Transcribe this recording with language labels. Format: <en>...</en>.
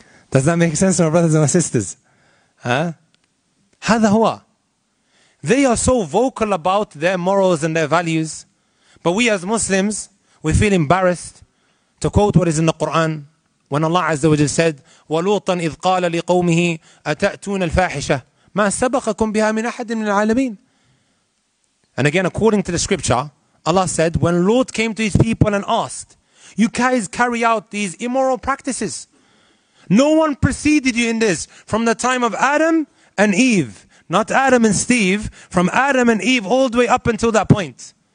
<en>Does that make sense to my brothers and my sisters? Huh? Hadha huwa. They are so vocal about their morals and their values, but we as Muslims, we feel embarrassed to quote what is in the Quran. When Allah Azza wa Jalla said,</en> <ar>وَلُوطًا إِذْ قَالَ لِقَوْمِهِ أَتَأْتُونَ الْفَاحِشَةِ مَا سَبَقَكُمْ بِهَا مِنْ أَحَدٍ مِنْ الْعَالَمِينَ.</ar> <en>And again, according to the scripture, Allah said, when Lot came to his people and asked, you guys carry out these immoral practices. No one preceded you in this from the time of Adam and Eve. Not Adam and Steve, from Adam and Eve all the way up until that point.</en>